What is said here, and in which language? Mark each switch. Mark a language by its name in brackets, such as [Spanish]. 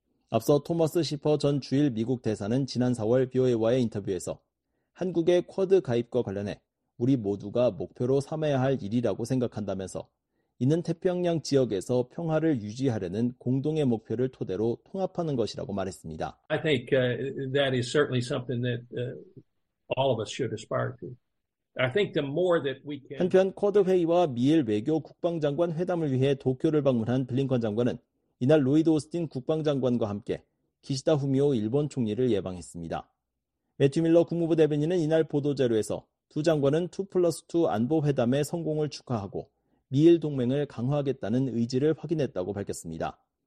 [Korean] 앞서 토머스 시퍼 전 주일 미국 대사는 지난 4월 BOA와의 인터뷰에서 한국의 쿼드 가입과 관련해 우리 모두가 목표로 삼아야 할 일이라고 생각한다면서 이는 태평양 지역에서 평화를 유지하려는 공동의 목표를 토대로 통합하는 것이라고 말했습니다. [English] I think that is certainly something that all of us should aspire to. I think the more that we can [Korean] 한편 쿼드 회의와 미일 외교 국방장관 회담을 위해 도쿄를 방문한 블링컨 장관은 이날 로이드 오스틴 국방장관과 함께 기시다 후미오 일본 총리를 예방했습니다. 매튜 밀러 국무부 대변인은 이날 보도자료에서 두 장관은 2+2 안보 회담의 성공을 축하하고 미일 동맹을 강화하겠다는 의지를 확인했다고 밝혔습니다.